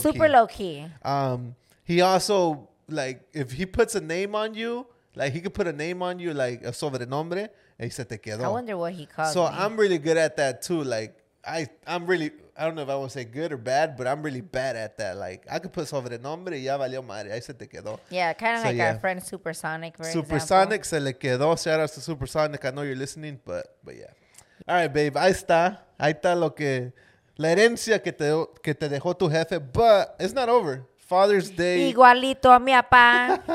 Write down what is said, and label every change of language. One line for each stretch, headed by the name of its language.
English: Super low-key. He also, like, if he puts a name on you, like, he could put a name on you, like, a sobrenombre, and he said,
Spanish: te quedó.
English: I wonder what he called so me. I'm really good at that, too. Like, I'm really, I don't know if I want to say good or bad, but I'm really bad at that. Like, I could put sobrenombre,
Spanish: ya valió madre, ahí se te quedó.
English: Yeah, kind of so, like our friend Supersonic, for Supersonic example.
Spanish: Se le quedó.
English: Shout out to Supersonic. I know you're listening, but yeah. All right, babe,
Spanish: ahí está lo que La herencia que te dejó tu jefe,
English: but it's not over. Father's Day.
Spanish: Igualito a mi papá.